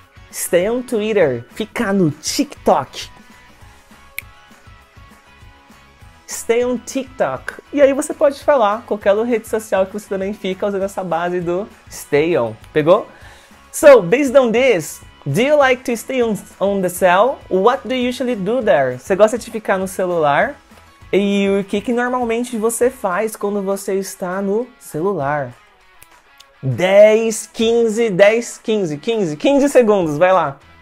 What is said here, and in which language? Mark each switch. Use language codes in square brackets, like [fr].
[en] Stay on Twitter. [pt] Ficar no TikTok. [en] Stay on TikTok. [pt] E aí você pode falar qualquer rede social que você também fica usando essa base do stay on. Pegou? [en] So, based on this, do you like to stay on the cell? What do you usually do there? [pt] Você gosta de ficar no celular? E o que normalmente você faz quando você está no celular? 10, 15, 10, 15, 15, 15 segundos, vai lá.